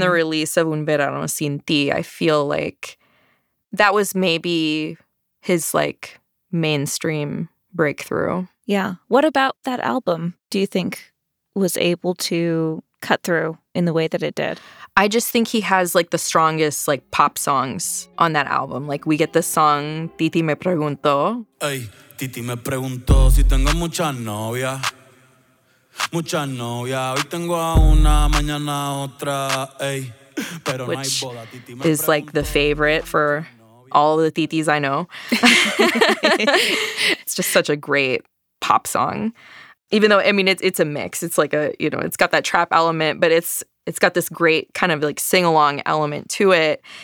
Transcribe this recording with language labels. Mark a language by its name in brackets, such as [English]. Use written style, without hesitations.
[English] the release of Un Verano Sin Ti, I feel like that was maybe his, like, mainstream breakthrough. Yeah. What about that album do you think was able to cut through in the way that it did? I just think he has, like, the strongest, like, pop songs on that album. Like, we get the song Titi Me Preguntó. [Spanish] Hey, Titi me preguntó si tengo muchas novias. Muchas novias. Hoy tengo a una, mañana otra. Hey, pero no hay boda. [English] Titi me is, like, the favorite for all the Titis I know. It's just such a great pop song. Even though, I mean, it's a mix. It's like a, you know, it's got that trap element, but it's got this great kind of, like, sing-along element to it.